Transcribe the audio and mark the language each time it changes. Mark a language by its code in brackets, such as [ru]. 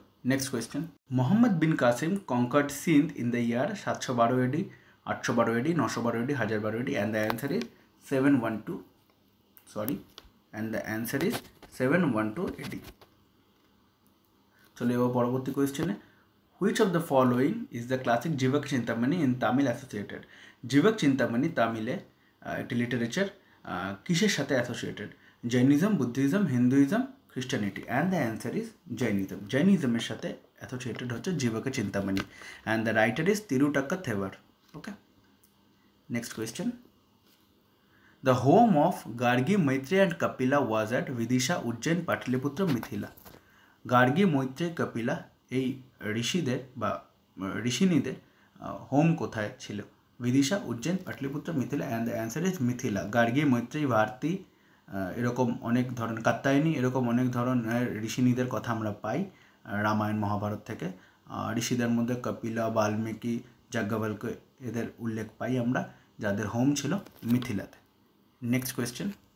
[en] next question Muhammad bin Qasim conquered Sindh in the year 712 AD 812 AD 912 AD 1012 AD and the answer is 712 sorry and the answer is 712 AD [bn] চলে এবার পরবর্তী কোয়েশ্চেনে [en] which of the following is the classic [bn] Jivak Chintamani in Tamil associated জীবক চিন্তামণি তামিলে একটি literature কিসের সাথে associated [en] Jainism Buddhism Hinduism Christianity and the answer is Jainism. [bn] Jainism এর সাথে associated হচ্ছে জীবকে Chintamani [en] and the writer is Tirutaka Thevar. Okay. Next question. The home of Gargi Maitre and Kapila was at Vidisha Ujjain Pataliputra Mithila. [bn] Gargi Maitre Kapila এই ঋষিদের বা ঋষিনীদের home কোথায় ছিল Vidisha Ujjain Pataliputra Mithila [en] and the answer is Mithila. [bn] Gargi Maitre Bharti এরকম অনেক ধরনের কাত্যায়নী এরকম অনেক ধরনের ঋষিনীদের কথা আমরা পাই রামায়ণ মহাভারত থেকে ঋষিদের মধ্যে কপিলা বাল্মীকি যজ্ঞবল্ক এদের উল্লেখ পাই আমরা যাদের হোম ছিল মিথিলাতে নেক্সট কোয়েশ্চেন